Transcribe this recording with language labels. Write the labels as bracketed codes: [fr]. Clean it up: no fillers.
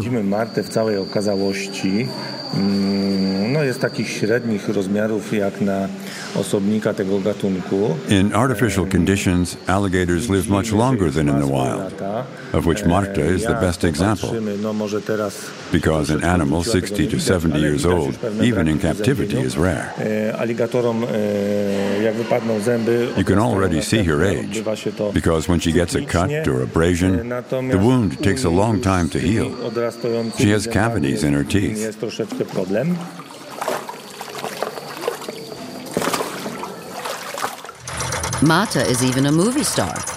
[pl] Widzimy Martę w całej okazałości. No jest takich średnich rozmiarów jak na osobnika tego gatunku. [en] In artificial conditions, alligators live much longer than in the wild, of which Marta is the best example. Because an animal 60 to 70 years old, even in captivity, is rare. [pl] Aligatorom jak wypadną zęby. [en] You can already see her age, because when she gets a cut or abrasion, the wound takes a long time to heal. She has cavities in her teeth. Marta is even a movie star.